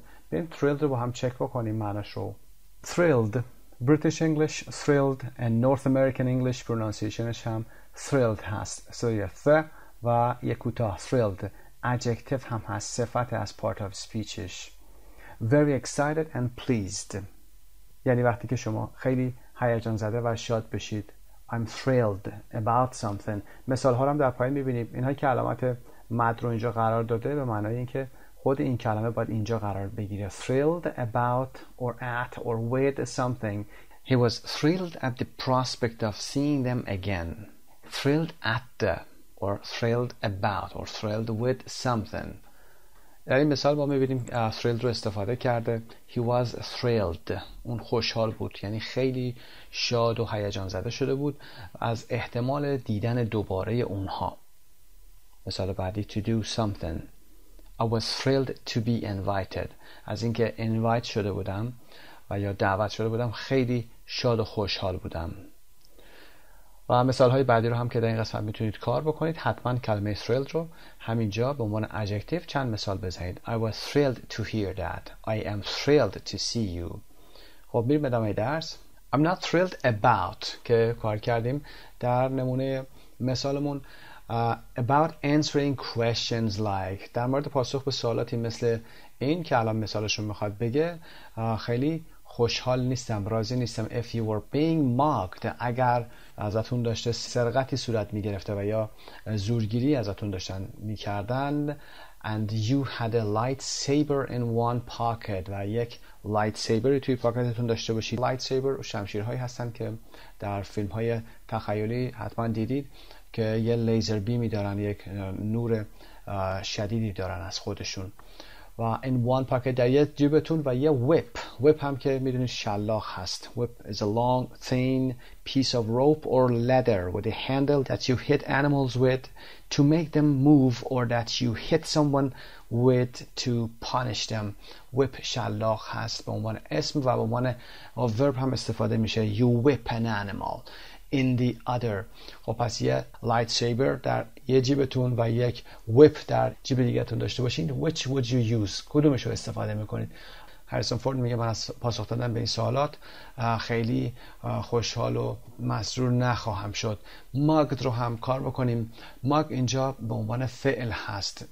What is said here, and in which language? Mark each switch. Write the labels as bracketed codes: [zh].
[fa] بین thrilled رو با هم چک بکنیم معناش رو. [en] Thrilled British English thrilled and North American English pronunciationش هم thrilled هست، so yeah, th [fa] و یک کوتاه [en] thrilled adjective هم هست، [fa] صفت از [en] part of speechش. Very excited and pleased [fa] یعنی وقتی که شما خیلی هیجان زده و شاد بشید. [en] I'm thrilled about something. [fa] مثال ها هم در پایین میبینیم. اینها که علامت مد رو اینجا قرار داده به معنای این که خود این کلمه باید اینجا قرار بگیره. [en] Thrilled about or at or with something. He was thrilled at the prospect of seeing them again. Thrilled at the or thrilled about or thrilled with something. [fa] در این مثال با میبینیم thrilled رو استفاده کرده. [en] He was thrilled. [fa] اون خوشحال بود، یعنی خیلی شاد و هیجان زده شده بود از احتمال دیدن دوباره اونها. مثال بعدی [en] to do something. I was thrilled to be invited. [fa] از اینکه invite شده بودم و یا دعوت شده بودم خیلی شاد و خوشحال بودم. و مثال های بعدی رو هم که در این قسمت میتونید کار بکنید، حتما کلمه thrilled رو همینجا به عنوان adjective چند مثال بزنید. [en] I was thrilled to hear that. I am thrilled to see you. [fa] خب میریم ادامه درس. [en] I'm not thrilled about [fa] که کار کردیم در نمونه مثالمون. [en] About answering questions like، [fa] در مورد پاسخ به سوالاتی مثل این که الان مثالشون میخواد بگه، خیلی خوشحال نیستم، راضی نیستم. [en] If you were being mocked، [fa] اگر ازتون داشته سرقتی صورت میگرفته و یا زورگیری ازتون داشتن میکردن. [en] And you had a lightsaber in one pocket، [fa] و یک lightsaberی توی پاکتتون داشته باشید. Lightsaber شمشیرهایی هستن که در فیلمهای تخیلی حتما دیدید که یه لیزر بیمی دارن، یک نور شدیدی دارن از خودشون. و این وان پاکت در یه جیبتون و یه ویپ. ویپ هم که میدونید شلاق هست. [en] Whip is a long thin piece of rope or leather with a handle that you hit animals with to make them move or that you hit someone with to punish them. [fa] Whip شلاق هست به عنوان اسم و به عنوان ورب هم استفاده میشه. [en] You whip an animal in the other. [fa] خب پس یه lightsaber در یه جیبتون و یک whip در جیب دیگرتون داشته باشین. [en] Which would you use? [fa] کدومش رو استفاده میکنید؟ هریسون فورد میگه من از پاسخ دادن به این سوالات خیلی خوشحال و مسرور نخواهم شد. مگد رو هم کار بکنیم. مگ اینجا به عنوان فعل هست.